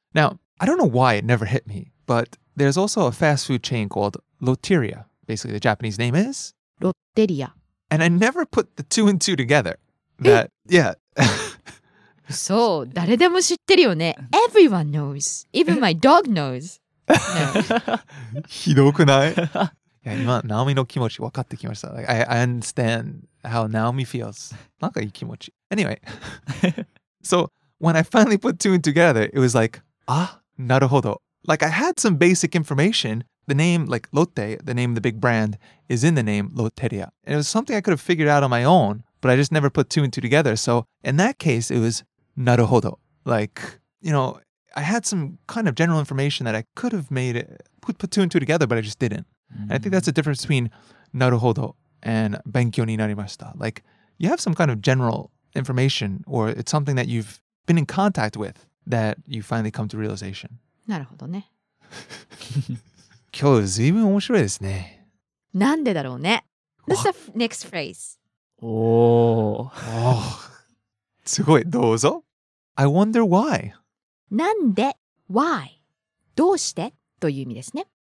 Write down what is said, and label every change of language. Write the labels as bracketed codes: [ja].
[en] Now, I don't know why it never hit me, but there's also a fast food chain called Lotteria. Basically, the Japanese name is? Lotteria. And I never put the two and two together. That, yeah. [ja] So, 誰でも知ってるよね。 [en] Everyone knows. Even my dog knows. [ja] ひどくない?yeah, 今、Naomi の気持ち分かってきました。 [en] Like, I understand how Naomi feels. [ja] なんかいい気持ち。 [en] Anyway. so, when I finally put two and two together, it was like...Ah, なるほど. Like, I had some basic information the name, like Lotte, the name of the big brand, is in the name Lotteria. And it was something I could have figured out on my own, but I just never put two and two together. So in that case, it was naruhodo. Like, you know, I had some kind of general information that I could have made, put two and two together, but I just didn't. Mm-hmm. And I think that's the difference between naruhodo and benkyou ni narimashita. Like, you have some kind of general information, or it's something that you've been in contact with that you finally come to realization. [ja] なるほどね。今日随分面白いですね。なんでだろうね? [en] That's the next phrase. Oh. [ja] すごい、どうぞ。 [en] I wonder why. [ja] なんで?Why? どうして?という意味ですね。